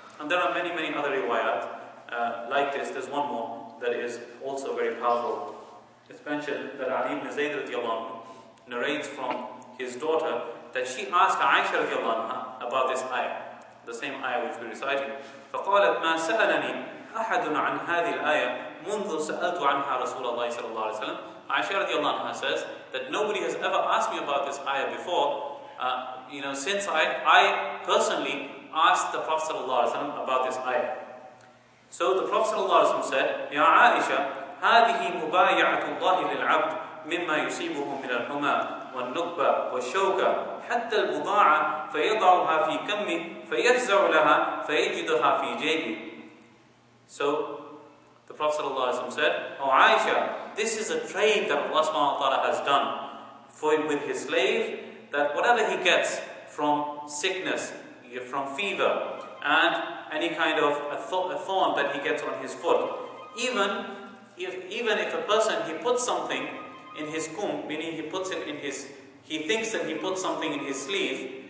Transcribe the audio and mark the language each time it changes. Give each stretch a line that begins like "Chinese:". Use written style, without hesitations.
English: And there are many, many other riwayat like this. There's one more that is also very powerful. It's mentioned that Ali ibn Zayd radiallahu anhu narrates from his daughter that she asked Aisha radiallahu anha about this ayah, the same ayah which we're reciting.
Arabic: فقالت ما سألني أحد عن هذه الآية منذ سألت عنها رسول الله صلى الله عليه وسلم.
English: Aisha radiallahu anha says that nobody has ever asked me about this ayah before, you know, since I personally asked the Prophet صلى الله عليه وسلم about this ayah. So the Prophet
Arabic: صلى الله عليه وسلم
English: said,
Arabic: يا عائشة هذه مبايعة الله للعبد مما يصيبه من الحمى والنكبة والشوكة حتى البضاعة فيضعها في كمه فيفزع لها فيجدها في جيبه.
English: So the Prophet ﷺ said, O Aisha, this is a trade that Allah subhanahu wa ta'ala has done for him with his slave, that whatever he gets from sickness, from fever, and any kind of a thorn that he gets on his foot, even if a person, he puts something in his kum, meaning he puts it in his, he thinks that he puts something in his sleeve.